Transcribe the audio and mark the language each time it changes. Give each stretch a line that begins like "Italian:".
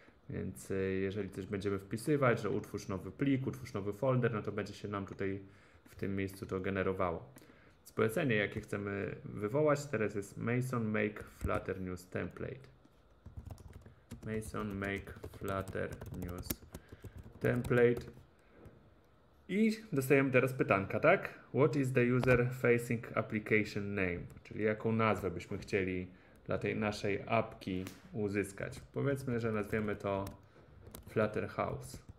Polish: Więc jeżeli coś będziemy wpisywać, że utwórz nowy plik, utwórz nowy folder, no to będzie się nam tutaj w tym miejscu to generowało. Polecenie, jakie chcemy wywołać, teraz jest Mason make Flutter news template.
English: Mason make Flutter news template.
Polish: I dostajemy teraz pytanka, tak?
English: What is the user facing application name?
Polish: Czyli jaką nazwę byśmy chcieli dla tej naszej apki uzyskać. Powiedzmy, że nazwiemy to Flutter House.